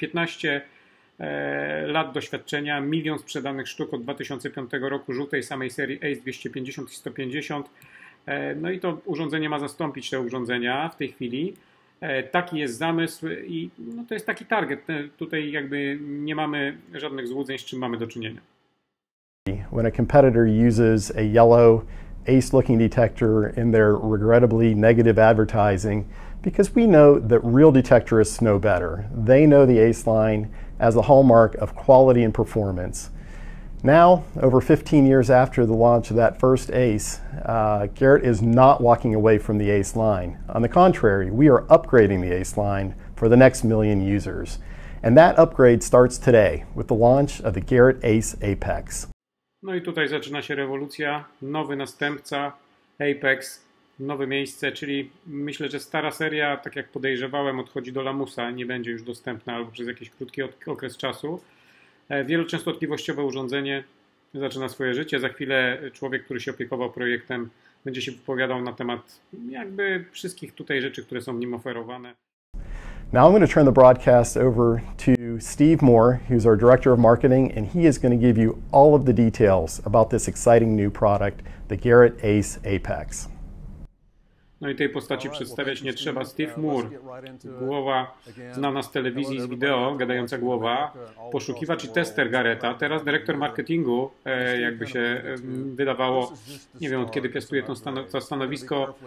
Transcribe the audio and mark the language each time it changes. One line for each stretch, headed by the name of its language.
Polish: 15 lat doświadczenia, milion sprzedanych sztuk od 2005 roku żółtej samej serii Ace 250 i 150. No i to urządzenie ma zastąpić te urządzenia w tej chwili. Taki jest zamysł i no to jest taki target. Tutaj jakby nie mamy żadnych złudzeń, z czym mamy do czynienia.
English: When a competitor uses a yellow ace looking detector in their regrettably negative advertising, because we know that real detectorists know better. They know the ace line as a hallmark of quality and performance. Now, over 15 years after the launch of that first ACE, Garrett is not walking away from the ACE line. On the contrary, we are upgrading the ACE line for the next million users. And that upgrade starts today with the launch of the Garrett ACE Apex.
Polish: No i tutaj zaczyna się rewolucja. Nowy następca Apex, nowe miejsce, czyli myślę, że stara seria, tak jak podejrzewałem, odchodzi do lamusa, nie będzie już dostępna albo przez jakiś krótki okres czasu. Wieloczęstotliwościowe urządzenie zaczyna swoje życie. Za chwilę człowiek, który się opiekował projektem, będzie się wypowiadał na temat jakby wszystkich tutaj rzeczy, które są w nim oferowane.
English: Now I'm going to turn the broadcast over to Steve Moore, who's our director of marketing, and he is going to give you all of the details about this exciting new product, the Garrett Ace Apex.
Polish: No i tej postaci przedstawiać nie trzeba. Steve Moore, głowa znana z telewizji, z wideo, gadająca głowa, poszukiwacz i tester Garretta, teraz dyrektor marketingu, jakby się wydawało, nie wiem od kiedy piastuje to stanowisko.